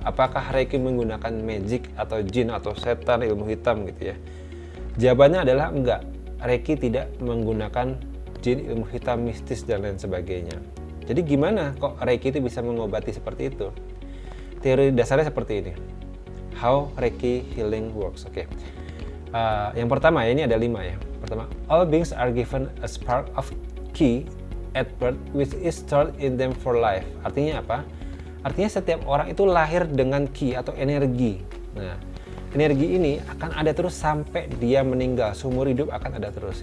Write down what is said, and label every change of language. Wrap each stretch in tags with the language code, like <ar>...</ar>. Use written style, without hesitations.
<id>Apakah Reiki menggunakan magic atau jin atau setan, ilmu hitam gitu ya? Jawabannya adalah enggak. Reiki tidak menggunakan jin, ilmu hitam, mistis, dan lain sebagainya. Jadi gimana kok Reiki itu bisa mengobati seperti itu? Teori dasarnya seperti ini.</id> <en>How Reiki healing works.</en> <id>Oke. Yang pertama, ini ada 5 ya. Pertama,</id> <en>all beings are given a spark of ki at birth which is stored in them for life.</en> <id>Artinya apa? Artinya setiap orang itu lahir dengan ki atau energi. Nah, energi ini akan ada terus sampai dia meninggal, seumur hidup akan ada terus.</id>